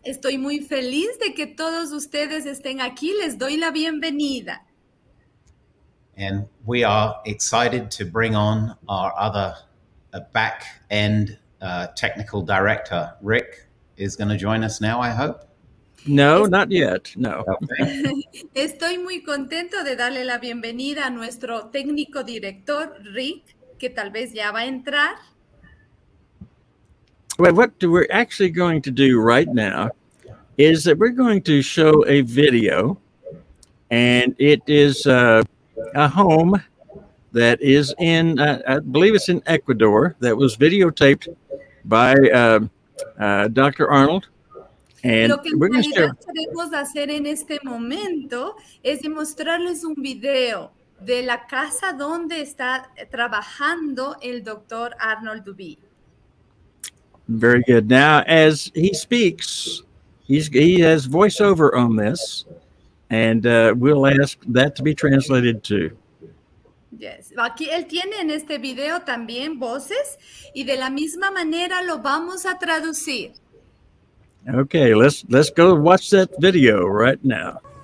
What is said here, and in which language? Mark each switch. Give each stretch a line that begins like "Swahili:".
Spanish: Estoy muy feliz de que todos ustedes estén aquí. Les doy la bienvenida.
English: And we are excited to bring on our other back-end technical director. Rick is going to join us now, I hope. No, not yet. No. Okay.
Spanish: Estoy muy contento de darle la bienvenida a nuestro técnico director, Rick, que tal vez ya va a entrar.
English: Well, what we're actually going to do right now is that we're going to show a video, and it is a home that is in, I believe it's in Ecuador, that was videotaped by Dr. Arnold. And we're going to share.
Spanish: Lo que queremos hacer en este momento es demostrarles un video de la casa donde está trabajando el Dr. Arnold Doobay.
English: Very good. Now, as he speaks, he has voiceover on this, and we'll ask that to be translated too. Yes.
Spanish: Aquí él tiene en este video también voces y de la misma manera lo vamos a traducir.
English: Okay, let's go watch that video right now.